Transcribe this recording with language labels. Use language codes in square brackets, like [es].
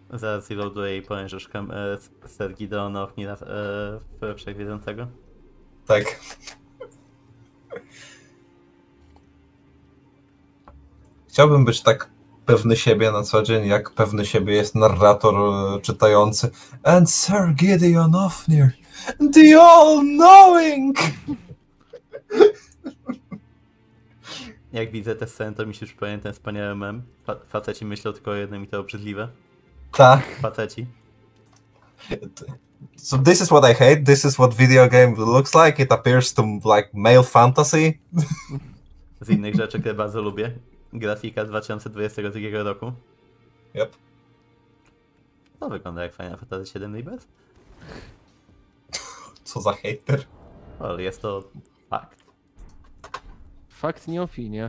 [pl] Zaraz zloaduję i powiem, że szukam ser Gideona w Nila wszechwiedzącego. Tak. Chciałbym być tak pewny siebie na co dzień, jak pewny siebie jest narrator czytający. [en] And Sir Gideon Ofnir, the all-knowing! [pl] Jak widzę tę scenę, to mi się przypomina ten wspaniały mem. Faceci myślą tylko o jednym i to obrzydliwe. Tak. Faceci. [en] So this is what I hate, this is what video game looks like, it appears to like male fantasy. [pl] Z innych rzeczy, które bardzo lubię. Grafika 2022 roku. [en] Yep. [pl] To wygląda jak Final Fantasy 7 Rebirth. Co za hater. Ale jest to fakt. Fakt, nie opinia.